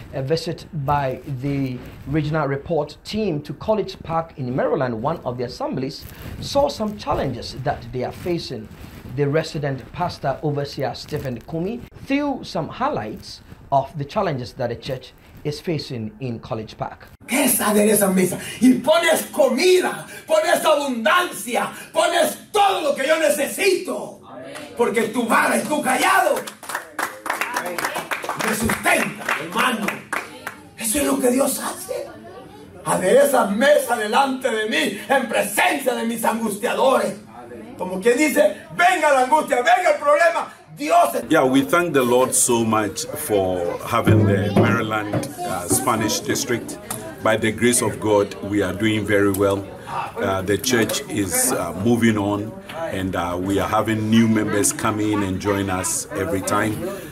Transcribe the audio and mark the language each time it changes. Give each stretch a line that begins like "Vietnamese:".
English: A visit by the regional report team to College Park in Maryland, one of the assemblies, saw some challenges that they are facing. The resident pastor overseer Stephen Kumi threw some highlights of the challenges that the church is facing in College Park.
Spanish: Esa de esa mesa y pones comida, pones abundancia, pones todo lo que yo necesito. Porque tu vara y tu callado me sustenta, hermano. Eso es lo que Dios hace. Adereza mesa delante de mí en presencia de mis angustiadores. Como quien dice, venga la angustia, venga el problema.
English: Yeah, we thank the Lord so much for having the Maryland Spanish district. By the grace of God, we are doing very well. The church is moving on, and we are having new members come in and join us every time.